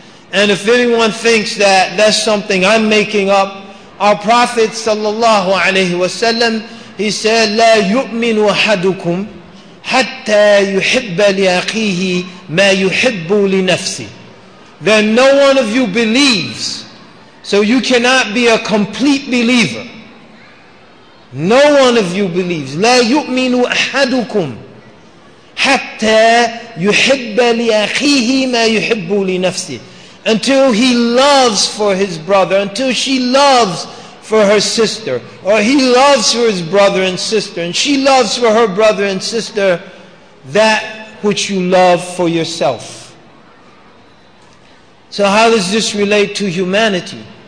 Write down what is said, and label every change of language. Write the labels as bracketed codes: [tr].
[en] And if anyone thinks that that's something I'm making up, our Prophet sallallahu alaihi wasallam, he said, [ar] لا يؤمن أحدكم حتى يحب لأخيه ما يحب لنفسه. [en] Then no one of you believes. So you cannot be a complete believer. No one of you believes. [ar] لا يؤمن أحدكم حتى يحب لأخيه ما يحب لنفسه. [en] Until he loves for his brother, until she loves for her sister, or he loves for his brother and sister, and she loves for her brother and sister, that which you love for yourself. So how does this relate to humanity?